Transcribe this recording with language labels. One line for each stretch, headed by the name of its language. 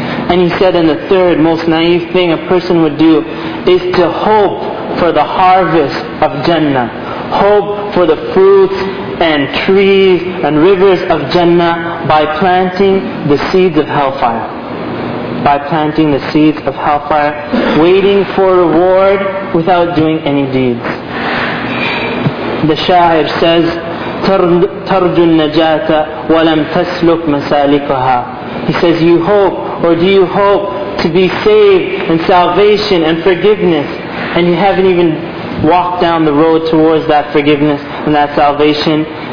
English: And he said, and the third most naive thing a person would do is to hope for the harvest of Jannah. Hope for the fruits and trees and rivers of Jannah by planting the seeds of hellfire. By planting the seeds of hellfire, waiting for reward without doing any deeds. The Shahib says,
Arabic: تَرْجُ النَّجَاةَ وَلَمْ تَسْلُكْ مَسَالِكُهَا.
English: He says, you hope, or do you hope to be saved and salvation and forgiveness, and you haven't even walked down the road towards that forgiveness and that salvation?